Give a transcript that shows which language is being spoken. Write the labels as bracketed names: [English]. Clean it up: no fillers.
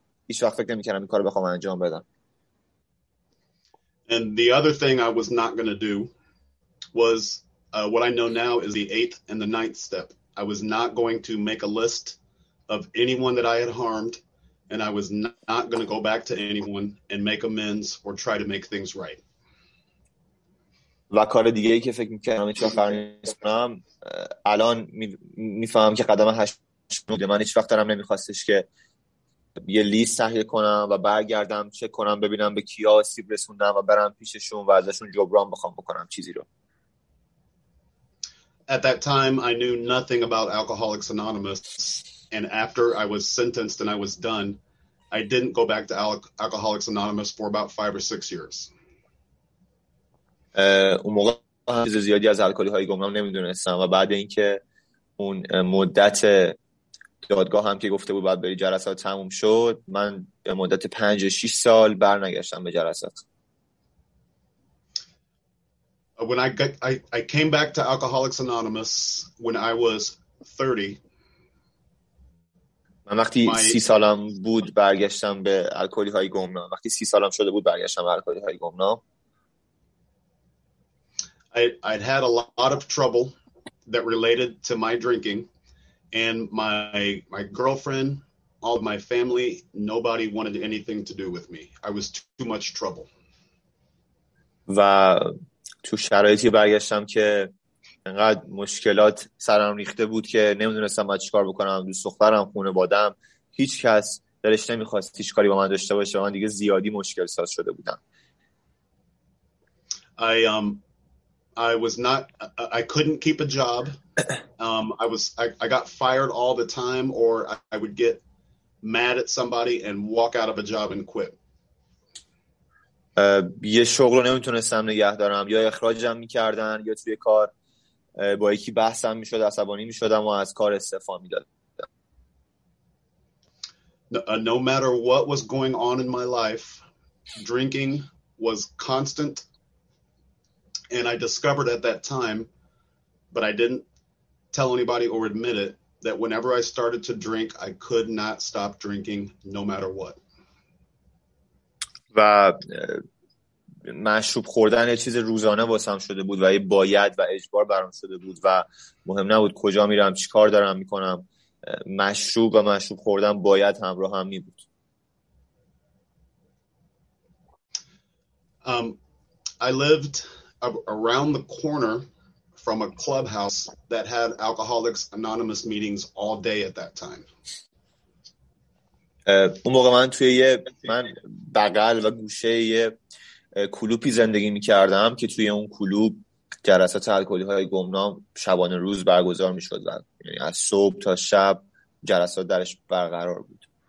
[Persian] هیچ وقت فکر نمیکردم این کار بخوام انجام بدم. [English] And the other thing I was not going to do was what I know now is the eighth and the ninth step. I was not going to make a list of anyone that I had harmed, and I was not going to go back to anyone and make amends or try to make things right. [Persian] و کار دیگه ای که فکر میکردم هیچ وقت نمیکنم الان میفهمم که قدم هشتم بوده. من هیچ وقت دارم نمیخواستش که یه لیست تهیه کنم و برگردم چک کنم ببینم به کیا آسیب رسوندم و برم پیششون و ازشون جبران بخوام بکنم چیزی رو. [English] At that time I knew nothing about Alcoholics Anonymous, and after I was sentenced and I was done, I didn't go back to Alcoholics Anonymous for about 5 or 6 years. [Persian] اون موقع چیز زیادی از الکلی های گمنام نمیدونستم و بعد اینکه اون مدت دادگاه هم که گفته بود باید بری جلسات تموم شد، من به مدت 5-6 سال بر نگشتم به جلسات. [English] When I came back to Alcoholics Anonymous when I was 30. [Persian] من وقتی 30 سالم بود برگشتم به الکلی های گمنام. وقتی 30 سالم شده بود برگشتم به الکلی های گمنام. [English] I'd had a lot of trouble that related to my drinking. And my girlfriend, all of my family, nobody wanted anything to do with me. I was too much trouble. [Persian] و تو شرایطی برگشتم که انقدر مشکلات سرم ریخته بود که نمیدونستم باید چیکار بکنم. دوست دخترم، خانوادم، هیچ کس دلش نمیخواست هیچ کاری با من داشته باشه. من دیگه زیادی مشکل ساز شده بودم. [English] I I was not, I couldn't keep a job. I got fired all the time, or I would get mad at somebody and walk out of a job and quit. [Persian] یه شغل رو نمیتونستم نگه دارم، یا اخراجم میکردن یا توی کار با یکی بحثم میشد، عصبانی میشدم و از کار استعفا میدادم. [English] No matter what was going on in my life, drinking was constant, and I discovered at that time, but I didn't tell anybody or admit it, that whenever I started to drink, I could not stop drinking no matter what. [Persian] و مشروب خوردن یه چیز روزانه واسم شده بود و یه باید و اجبار برام شده بود و مهم نبود کجا میرم چیکار دارم میکنم، مشروب و مشروب خوردن باید همراه هم میبود. [English] I lived around the corner from a clubhouse that had Alcoholics Anonymous meetings all day at that time. [Persian] اون موقع من توی یه من بغل و گوشه یه کلوپی زندگی میکردم که توی اون کلوب جلسات الکلی های گمنام شبانه روز برگزار میشد و یعنی از صبح تا شب جلسات درش برقرار بود.